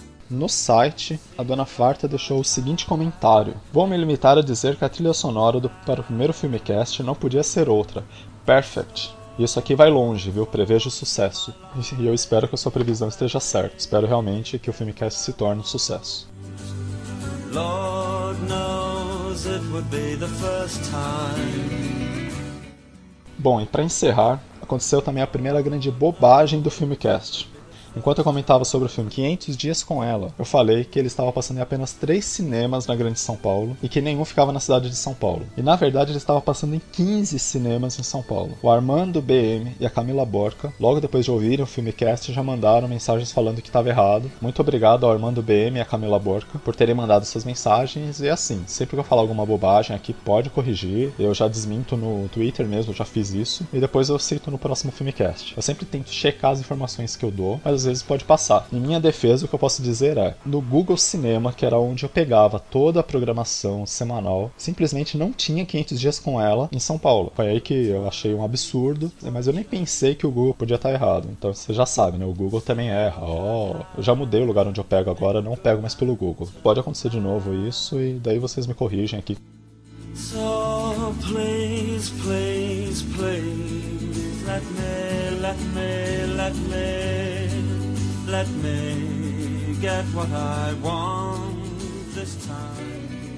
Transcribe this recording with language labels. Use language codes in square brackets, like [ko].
[pt] No site, a Dona Farta deixou o seguinte comentário. Vou me limitar a dizer que a trilha sonora para o primeiro Filmcast não podia ser outra. Perfect. Isso aqui vai longe, viu? Prevejo sucesso. E eu espero que a sua previsão esteja certa. Espero realmente que o Filmcast se torne um sucesso. [en] Lord knows it would be the first time. [pt] Bom, e pra encerrar, aconteceu também a primeira grande bobagem do Filmcast. Enquanto eu comentava sobre o filme 500 Dias com Ela, eu falei que ele estava passando em apenas 3 cinemas na Grande São Paulo e que nenhum ficava na cidade de São Paulo. E na verdade ele estava passando em 15 cinemas em São Paulo. O Armando BM e a Camila Borca, logo depois de ouvirem o Filmcast, já mandaram mensagens falando que estava errado. Muito obrigado ao Armando BM e a Camila Borca por terem mandado essas mensagens. E assim, sempre que eu falar alguma bobagem aqui, pode corrigir. Eu já desminto no Twitter mesmo, já fiz isso. E depois eu cito no próximo Filmcast. Eu sempre tento checar as informações que eu dou, mas às vezes pode passar. Em minha defesa, o que eu posso dizer é, no Google Cinema, que era onde eu pegava toda a programação semanal, simplesmente não tinha 500 Dias com Ela em São Paulo. Foi aí que eu achei um absurdo, mas eu nem pensei que o Google podia estar errado. Então, você já sabe, né? O Google também erra. Oh, eu já mudei o lugar onde eu pego agora, não pego mais pelo Google. Pode acontecer de novo isso e daí vocês me corrigem aqui. [en] So, please, please, please, let me, let me, let me. Let me get what I want this time.